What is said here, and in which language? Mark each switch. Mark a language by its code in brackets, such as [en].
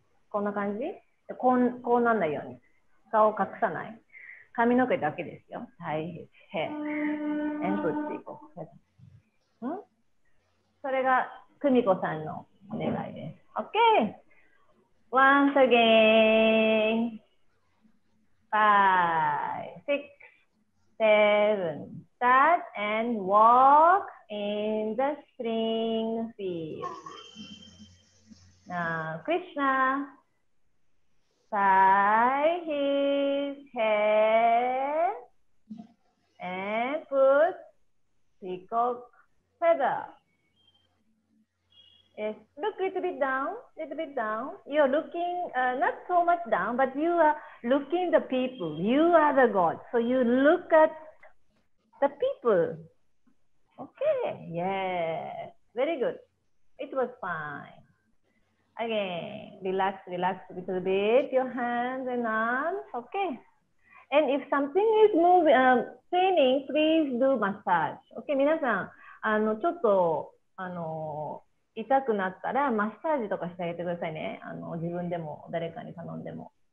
[ja] こんな感じ？こうなんないように。顔を隠さない。髪の毛だけですよ。はい。へ。エンプッチーコック。ん？それが、久美子さんのお願いです。 [en] OK! Once again! Five, six, seven, start and walk in the spring field. Now, Krishna, tie his hair and put peacock feather. Yes, look a little bit down, a little bit down. You're looking, not so much down, but you are looking the people. You are the God. So you look at the people. Okay, yes, very good. It was fine. Again, relax, relax a little bit, your hands and arms. Okay. And if something is moving, training, please do massage. Okay, [ja] 皆さん、あの、ちょっと、あの、痛くなったらマッサージとかしてあげてくださいね。あの、自分でも誰かに頼んでも。